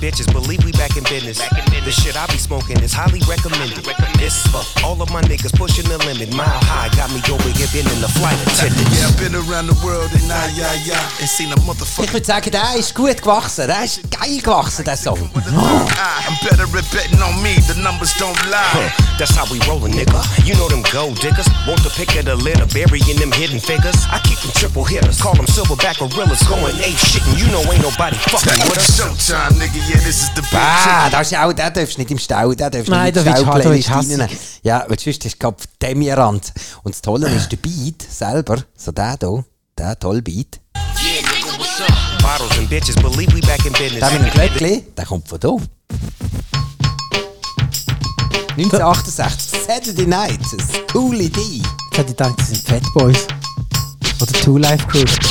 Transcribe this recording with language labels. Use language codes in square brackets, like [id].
[en] bitches, believe we back in business. The shit I be smoking is highly recommended. This for all of my niggas pushing the limit. Mile high got me over here being in the flight attendant. Yeah, I've been around the world and I and seen a motherfucker. [de] Ich würde sagen, der ist gut gewachsen. Der ist geil gewachsen, der Song. [en] I'm better at betting on me, the numbers don't lie. That's how we rollin', nigga. You know them gold diggers. Want to pick at a litter, burying them hidden figures. I keep them triple hitters, call them silverback gorillas. Going ape shit, and you know ain't nobody fucking with us. Showtime, nigga, yeah, this is the bad. [de] Ah, da ist auch, nicht im Stau, da darfst nicht im Stau playen. Ja, weil sonst ist Kopf demierant. Und das Tolle ist der Beat selber, so der hier, der tolle Beat. [en] Bottles and bitches, believe we back in business. [de] Da bin ich gleich, der kommt von da. 1968, Saturday Night, das ist eine coole Idee. Ich hätte gedacht, das sind Fat Boys. Oder Two Life Crew.